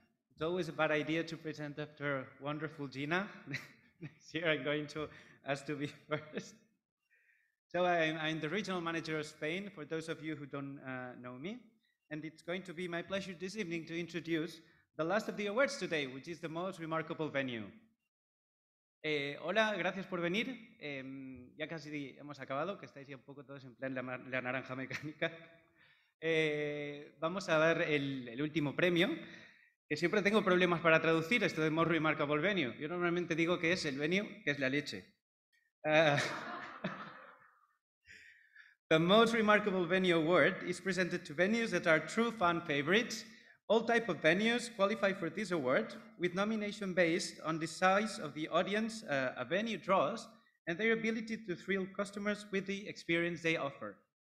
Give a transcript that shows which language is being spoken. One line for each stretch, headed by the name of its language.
English: It's always a bad idea to present after wonderful Gina. This year I'm going to ask to be first. So I'm the regional manager of Spain, for those of you who don't know me. And it's going to be my pleasure this evening to introduce the last of the awards today, which is the most remarkable venue.
Spanish: Hola, gracias por venir. Ya casi hemos acabado, que estáis ya un poco todos en plan la naranja mecánica. Vamos a dar el último premio, que siempre tengo problemas para traducir esto de
English: most remarkable venue.
Spanish: Yo normalmente digo que es el venue, que es la leche.
English: The most remarkable venue award is presented to venues that are true fan favorites. All type of venues qualify for this award, with nomination based on the size of the audience a venue draws and their ability to thrill customers with the experience they offer.